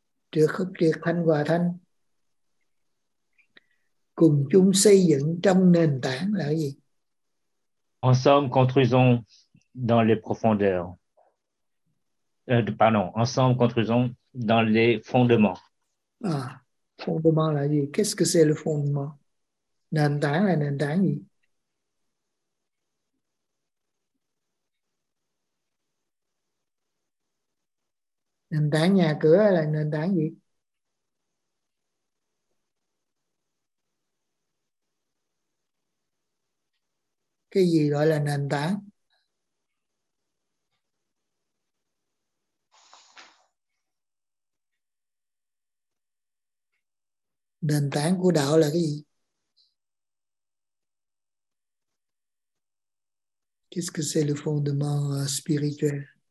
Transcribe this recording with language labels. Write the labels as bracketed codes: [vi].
[vi] Trước khúc triệt thanh hòa thanh, cùng chung xây dựng trong nền tảng là gì? [fr] Ensemble, construisons dans les profondeurs. Ensemble, construisons dans les fondements. [vi] Ah, fondement là gì? [fr] Qu'est-ce que c'est le fondement? [vi] Nền tảng là nền tảng gì? Nền tảng nhà cửa là nền tảng gì? Cái gì gọi là nền tảng? Nền tảng của đạo là cái gì? [fr] Qu'est-ce que c'est le fondement spirituel?